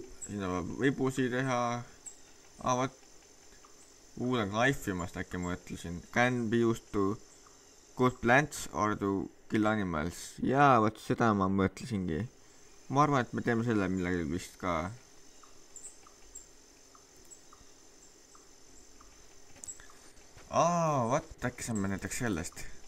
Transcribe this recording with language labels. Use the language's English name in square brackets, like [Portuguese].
[Estonian] Siin võib vibusi teha. Ah, võt. Wood and Life'i ma äkki mõtlesin. [English] Can be used to cut plants or to kill animals. [Estonian] Jaa, vot seda ma mõtlesingi. Ma arvan, et me teeme selle millegi vist ka. Aa, vot, äkki saame näiteks sellest.